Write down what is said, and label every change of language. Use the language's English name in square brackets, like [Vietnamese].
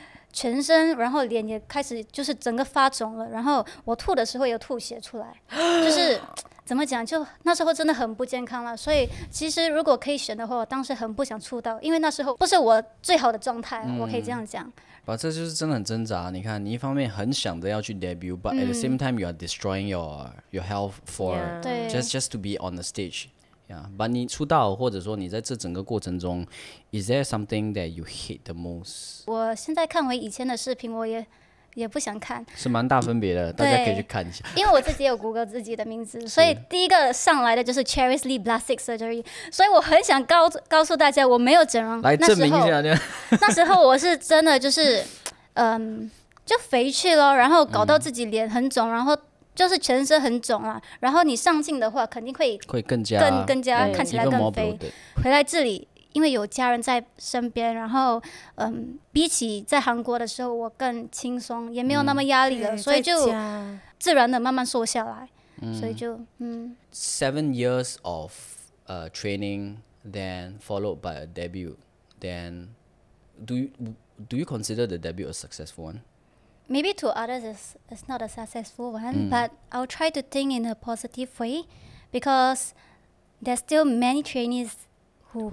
[Chinese] 全身，然后脸也开始就是整个发肿了，然后我吐的时候有吐血出来，就是怎么讲，就那时候真的很不健康了。所以其实如果可以选的话，我当时很不想出道，因为那时候不是我最好的状态，我可以这样讲。哇，这就是真的很挣扎。你看，你一方面很想着要去 debut， but at the same time you are destroying your health for just to be on the stage。 [English] Yeah, but 你出道或者说你在这整个过程中 is there something that you hate the most? [Chinese] 我现在看回以前的视频我也不想看，是蛮大分别的，大家可以去看一下。因为我自己有 Google 自己的名字，所以第一个上来的就是 Cherish Lee Plastic Surgery， 所以我很想告诉大家我没有整容，来证明一下。那时候我是真的就是就肥去了，然后搞到自己脸很肿，然后就是全身很肿啊，然后你上镜的话肯定会更加看起来更肥。回来这里因为有家人在身边，然后比起在韩国的时候我更轻松，也没有那么压力了，所以就自然的慢慢瘦下来。所以就 [English] 7 years of training then followed by a debut, then do you consider the debut a successful one? Maybe to others it's not a successful one, but I'll try to think in a positive way because there's still many trainees who